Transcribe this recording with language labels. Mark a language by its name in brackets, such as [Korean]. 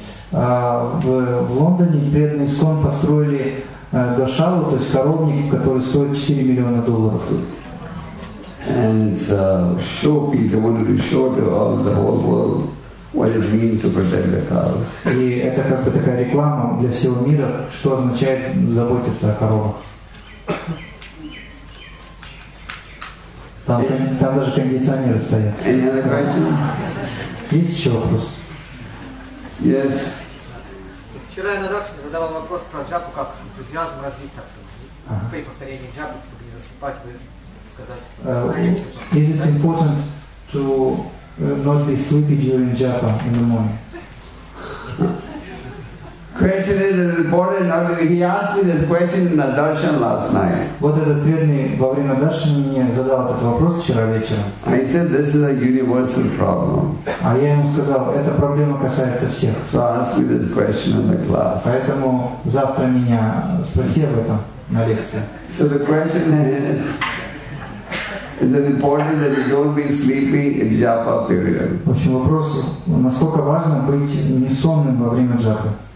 [Russian] В Лондоне преданный ISKCON построили гошалу, то есть коровник, который стоит 4 миллиона долларов. [English] And it's a showpiece. They wanted to show to all the whole world what it means to protect the cows. [Russian] И это как бы такая реклама для всего мира, что означает заботиться о коровах. Там даже кондиционеры стоят. [English] Any other question? [Russian] Есть еще вопрос? [English] Yes. [Russian] Вчера я на Раше задавал вопрос про джапу, как энтузиазм развить, так что при повторении джапы, чтобы не засыпать, вы сказать. [English] Is it important to not be sleepy during japa in the morning? Question is important. He asked me this question in the darshan last night. [Russian] Вот этот преданный во время даршан мне задал этот вопрос вчера вечером. [English] I said this is a universal problem. [Russian] А я ему сказал, эта проблема касается всех. [English] So ask me this question in the class. [Russian] Поэтому завтра меня спроси об этом на лекции. [English] So the question is it important that you don't be sleepy in japa period? [Russian] В общем, вопрос, насколько важно быть несонным во время джапы?